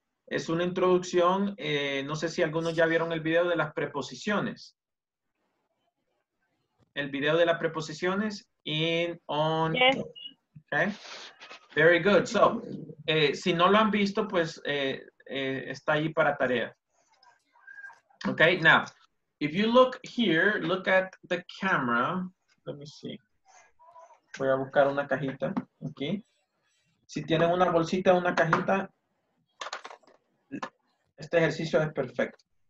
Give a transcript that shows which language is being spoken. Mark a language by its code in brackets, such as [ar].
[es] Es una introducción, no sé si algunos ya vieron el video de las preposiciones. El video de las preposiciones, in, on. [en] Yes. Okay. Very good. So, [es] si no lo han visto, pues está ahí para tarea. [en] Okay, now, if you look here, look at the camera. Let me see. [es] Voy a buscar una cajita aquí. Si tienen una bolsita o una cajita, este ejercicio es perfecto.